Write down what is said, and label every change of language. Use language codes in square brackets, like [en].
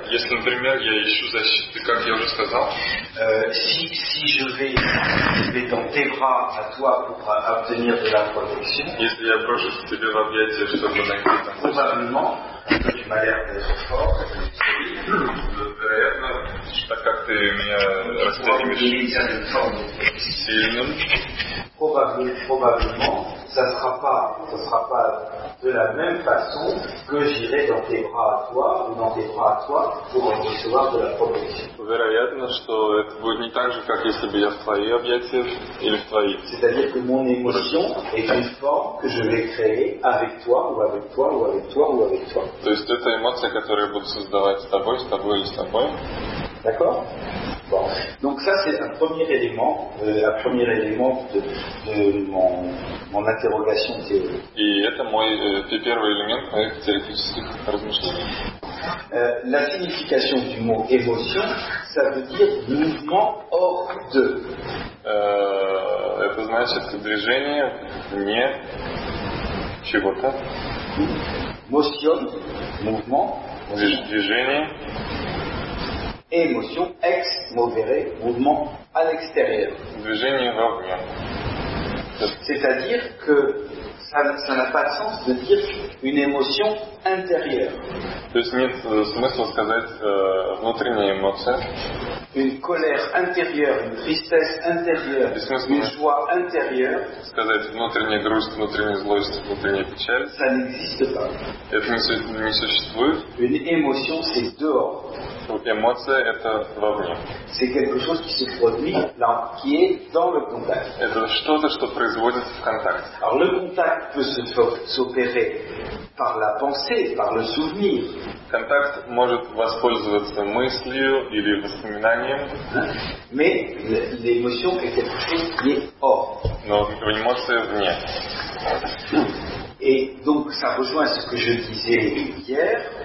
[ru] Если, например, я ищу защиты, как я уже сказал. [fr] Si je vais dans tes bras à toi pour obtenir de la protection. [ru] Если я брошу тебе в объятия, чтобы найти. [fr] Probablement. Tu m'as l'air d'être fort. [ru] Вероятно, так как ты меня растягиваешь сильным. [fr] Probablement, ça sera pas de la même façon que j'irai dans tes bras à toi ou dans tes bras à toi pour recevoir de la protection. [ru] Вероятно, что это будет не так же, как если бы я в твои объятия или в твои. [fr] C'est-à-dire que mon émotion est une forme que je vais créer avec toi ou avec toi ou avec toi ou avec toi. [ru] То есть это эмоция, которую я буду создавать с тобой или с тобой. [fr] D'accord? Bon. Donc ça c'est un premier élément, la première élément de mon interrogation théorique. [ru] Et это мой первый элемент моих теоретических размышлений. [fr] La signification du mot émotion, ça veut dire mouvement hors de. [ru] Это значит движение вне чего-то. [fr] Motion, mouvement. [ru] Движение. [fr] Émotion ex movere, mouvement à l'extérieur. [ru] Движение вовне. [fr] C'est-à-dire que ça n'a pas de sens de dire une émotion intérieure. [ru] То есть нет смысла сказать внутренняя эмоция. [fr] Une colère intérieure, une tristesse intérieure, une joie intérieure. [ru] Сказать внутренняя грусть, внутренняя злость, внутренняя печаль. [fr] Ça n'existe pas. [ru] Это не существует. [fr] Une émotion, c'est dehors. [ru] Эмоция – это вовне. [fr] C'est quelque chose qui se produit là, qui est dans le contact. [ru] Это что-то, что производится в контакте. [fr] Alors le contact peut s'opérer par la pensée, par le souvenir. [ru] Контакт может воспользоваться мыслью или воспоминанием. [fr] Mais l'émotion est quelque chose qui est hors. [ru] Но эмоция вне. [fr] Et donc ça rejoint ce que je disais hier.